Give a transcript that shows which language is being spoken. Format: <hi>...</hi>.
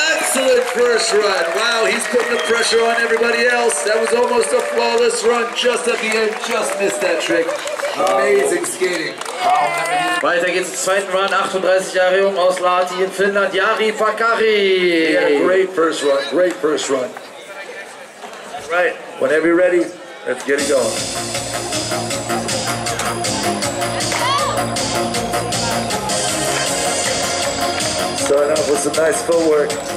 <en>Excellent first run. Wow, he's putting the pressure on everybody else. That was almost a flawless run just at the end, just missed that trick. Amazing skating. Yeah.</en> <de>Weiter geht's im zweiten Run, 38 Jahre jung aus Lahti in Finnland, Jari Fakari.</de> <en>Yeah, great first run, great first run. Right, whenever you're ready, let's get it going. Starting off with some nice footwork.</en>